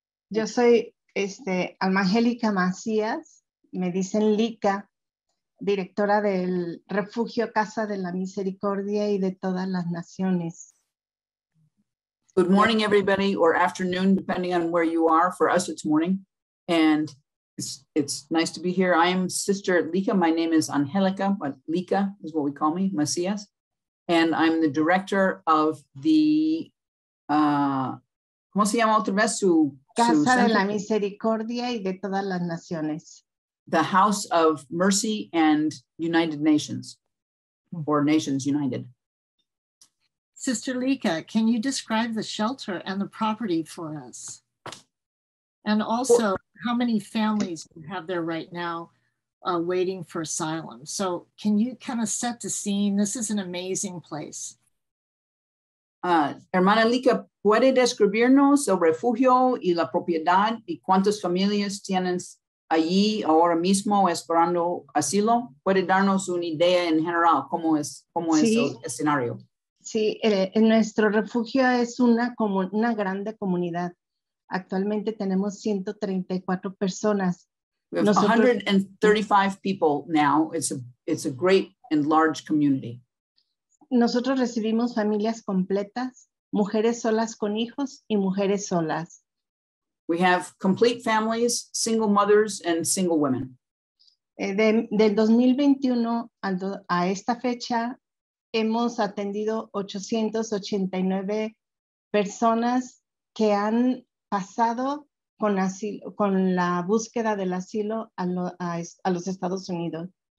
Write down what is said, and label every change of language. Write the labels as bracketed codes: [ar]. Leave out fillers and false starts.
[es] Yo soy Alma Angélica Macías, me dicen Lika, directora del Refugio Casa de la Misericordia y de Todas las Naciones. [en] Good morning, everybody, or afternoon, depending on where you are. For us, it's morning. And it's nice to be here. I am Sister Lika. My name is Angelica, but Lika is what we call me, Macias. And I'm the director of the, [es] ¿cómo se llama otra vez? Su Casa de la Misericordia y de Todas las Naciones. [en] The House of Mercy and United Nations, or Nations United. Sister Lika, can you describe the shelter and the property for us? And also, how many families you have there right now waiting for asylum? So can you kind of set the scene? This is an amazing place. [es] Hermana Lika, ¿puede describirnos el refugio y la propiedad y cuántas familias tienen allí ahora mismo esperando asilo? ¿Puede darnos una idea en general cómo es sí. el escenario? Sí, en nuestro refugio es una grande comunidad. Actualmente tenemos 134 personas. [en] We have 135 people now. It's a great and large community. [es] Nosotros recibimos familias completas, mujeres solas con hijos y mujeres solas. [en] We have complete families, single mothers and single women. [es] Del 2021 a esta fecha hemos atendido 889 personas que han pasado con la búsqueda del asilo a los Estados Unidos.